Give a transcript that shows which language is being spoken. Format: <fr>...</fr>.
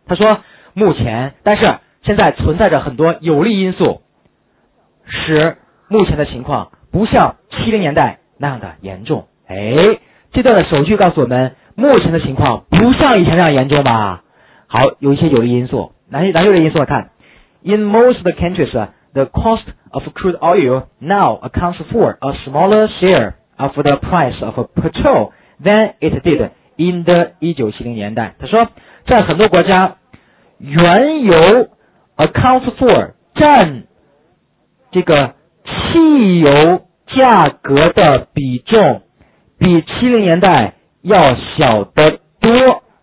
<zh>他说目前，但是现在存在着很多有利因素使目前的情况不像70年代那样的严重。哎，这段的首句告诉我们目前的情况不像以前那样严重吧。好，有一些有利因素，哪些有利因素来看。</zh> <en>In most of the countries, the cost of crude oil now accounts for a smaller share of the price of petrol than it did in the 1970年代。</en> <zh>他说，在很多国家，原油 accounts for 占这个汽油价格的比重比70年代要小得多。</zh>